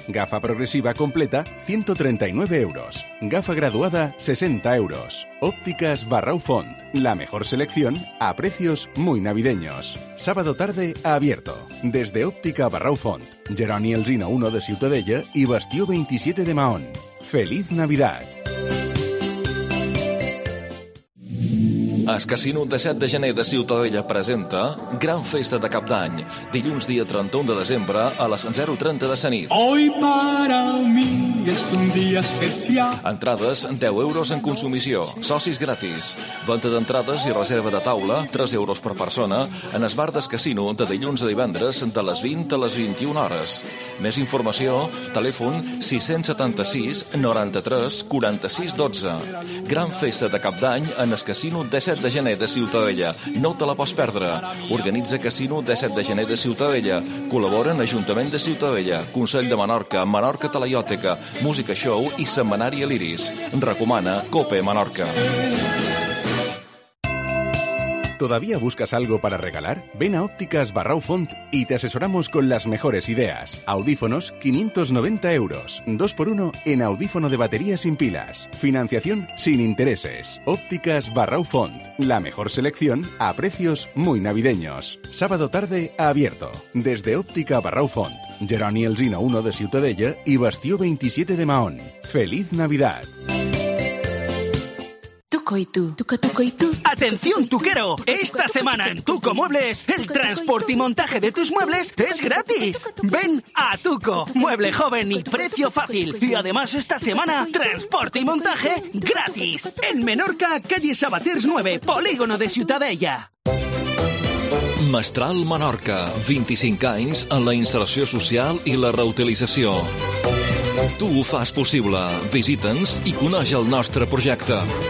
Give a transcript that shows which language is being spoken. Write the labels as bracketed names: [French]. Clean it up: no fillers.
[Spanish] Gafa progresiva completa, 139 euros. Gafa graduada, 60 euros. Ópticas Barrau Font, la mejor selección a precios muy navideños. Sábado tarde, abierto. Desde Óptica Barrau Font, Jeroni Elsina 1 de Ciutadella y Bastió 27 de Mahón. ¡Feliz Navidad! [Catalan] El Casino de 7 de gener de Ciutadella presenta Gran Festa de Cap d'Any. Dilluns dia 31 de desembre a les 0:30 de la nit. [Spanish] Hoy para mí es un día especial. [Catalan] Entrades 10 euros en consumició. Socis gratis. Venda d'entrades i reserva de taula 3 euros per persona en es bar del Casino de dilluns a divendres de les 20 a les 21 hores. Més informació, telèfon 676 93 46 12. Gran Festa de Cap d'Any en el Casino de 7 de gener de Ciutadella. No te la pots perdre. Organitza Casino de 7 de gener de Ciutadella. Col·laboren Ajuntament de Ciutadella, Consell de Menorca, Menorca Talaiòtica, Música Show i Setmanari Aliris. Recomana COPE Menorca. [Spanish] ¿Todavía buscas algo para regalar? Ven a Ópticas Barrau Font y te asesoramos con las mejores ideas. Audífonos, 590 euros. 2x1 en audífono de batería sin pilas. Financiación sin intereses. Ópticas Barrau Font. La mejor selección a precios muy navideños. Sábado tarde, abierto. Desde Óptica Barrau Font, Jeroni Elsina 1 de Ciutadella y Bastió 27 de Mahón. ¡Feliz Navidad! tuco y tú. Tuco, tuco y tú. ¡Atención, tuquero! Esta semana en Tuco Muebles, el transporte y montaje de tus muebles es gratis. Ven a Tuco, mueble joven y precio fácil. Y además esta semana, transporte y montaje gratis. En Menorca, calle Sabaters 9, polígono de Ciutadella. [Catalan] Mestral Menorca, 25 anys en la inserció social i la reutilització. Tu ho fas possible. Visita'ns i coneix el nostre projecte.